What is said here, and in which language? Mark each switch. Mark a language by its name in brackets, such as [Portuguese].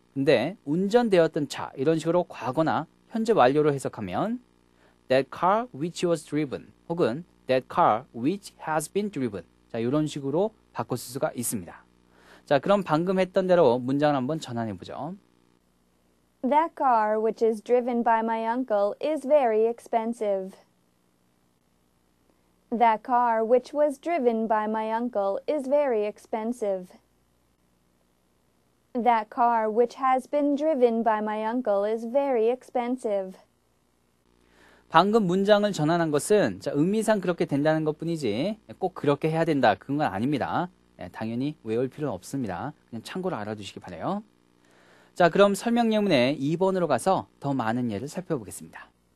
[Korean] 근데 운전되었던 차, 이런 식으로 과거나 현재 완료로 해석하면 [English] That car which was driven, [Korean] 혹은 [English] That car which has been driven, [Korean] 자, 이런 식으로 바꿀 수가 있습니다. 자, 그럼 방금 했던 대로 문장을 한번 전환해보죠. [English] That car which is driven by my uncle is very expensive. That car which was driven by my uncle is very expensive. That car which has been driven by my uncle is very expensive. [Korean] 방금 문장을 전환한 것은 자, 의미상 그렇게 된다는 것뿐이지 꼭 그렇게 해야 된다 그런 건 아닙니다. 네, 당연히 외울 필요는 없습니다. 그냥 참고로 알아두시기 바래요. 자, 그럼 설명 예문의 2번으로 가서 더 많은 예를 살펴보겠습니다.